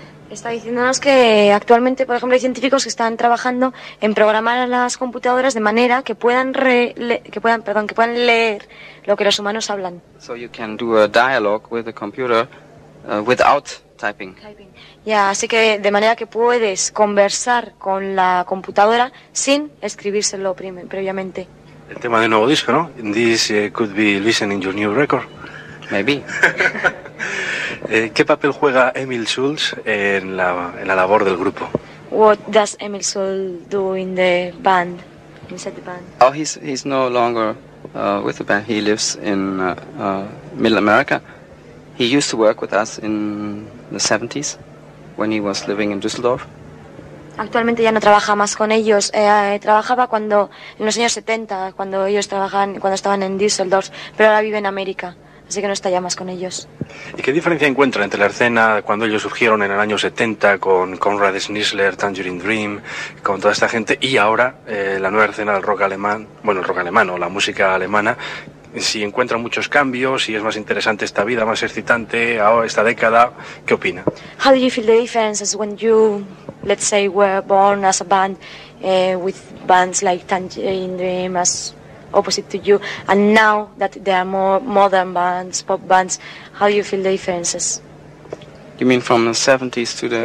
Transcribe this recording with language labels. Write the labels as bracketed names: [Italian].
[Spanish] Está diciéndonos que actualmente, por ejemplo, hay científicos que están trabajando en programar a las computadoras de manera que puedan leer lo que los humanos hablan. [English] So you can do a dialogue with the computer without typing. [Spanish] Yeah, así que de manera que puedes conversar con la computadora sin escribírselo previamente. El tema del nuevo disco, ¿no? [English] This could be listening your new record. Maybe. [Spanish] ¿Qué papel juega Emil Schulz en la labor del grupo? [English] What does Emil Schulz do in the band? Inside the band? Oh, he's no longer with the band. He lives in Middle America. He used to work with us in the 70s when he was living in Düsseldorf. [Spanish] Actualmente ya no trabaja más con ellos. Trabajaba cuando en los años 70, cuando ellos trabajaban, cuando estaban en Düsseldorf, pero ahora vive en América, así que no está ya más con ellos. ¿Y qué diferencia encuentra entre la escena cuando ellos surgieron en el año 70 con Konrad Schnitzler, Tangerine Dream, con toda esta gente, y ahora la nueva escena del rock alemán, bueno, el rock alemán o la música alemana? Si encuentra muchos cambios, si es más interesante esta vida, más excitante, ahora esta década, ¿qué opina? [English] How do you feel the difference when you, let's say, were born as a band with bands like Tangerine Dream as opposite to you, and now that there are more modern bands, pop bands, how do you feel the differences? You mean from the 70s to the...